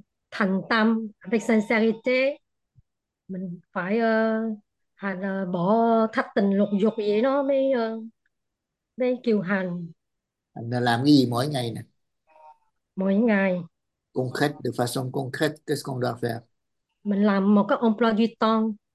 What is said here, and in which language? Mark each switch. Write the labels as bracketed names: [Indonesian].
[Vietnamese] Thành tâm với sincérité. Mình phải hành bỏ thất tình lục dục vậy nó mới đây kiều hành Làm cái gì mỗi ngày nè? mỗi ngày [French] Concrete, de façon concrete, qu'est-ce qu'on doit faire? [Vietnamese] mình làm một cái [French] emploi du temps